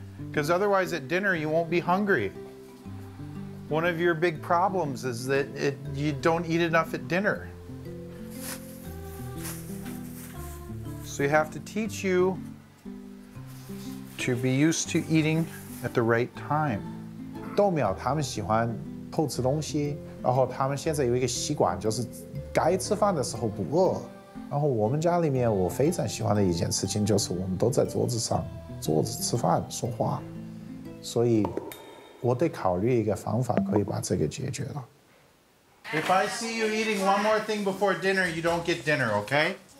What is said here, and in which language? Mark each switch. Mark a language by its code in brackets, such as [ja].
[en] Because otherwise at dinner, you won't be hungry. One of your big problems is that you don't eat enough at dinner. So you have to teach you to be used to eating at the right time. [zh] 豆苗他们喜欢偷吃东西，然后他们现在有一个习惯，就是该吃饭的时候不饿。然后我们家里面我非常喜欢的一件事情就是我们都在桌子上坐着吃饭说话，所以。我得考虑一个方法可以把这个解决了。 [en] If I see you eating one more thing before dinner, you don't get dinner, okay?